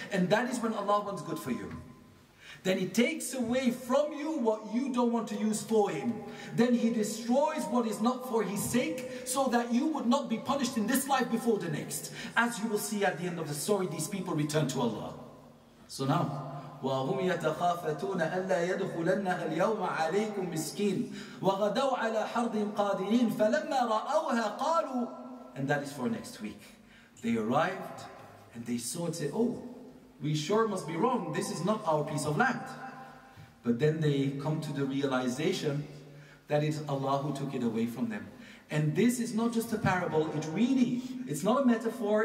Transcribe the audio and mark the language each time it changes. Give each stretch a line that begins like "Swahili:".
English: And that is when Allah wants good for you. Then He takes away from you what you don't want to use for Him. Then He destroys what is not for His sake, so that you would not be punished in this life before the next. As you will see at the end of the story, these people return to Allah.
Arabic: So now, وَهُمْ يَتَخَافَتُونَ أَلَّا يَدْخُلَنَّهَا الْيَوْمَ عَلَيْكُمْ مِسْكِينَ وَغَدَوْا عَلَى حَرْضٍ قَادِرِينَ فَلَمَّا رَأَوْهَا قَالُوا
English: And that is for next week. They arrived and they saw and said, oh, we sure must be wrong. This is not our piece of land. But then they come to the realization that it's Allah who took it away from them. And this is not just a parable. It's not a metaphor.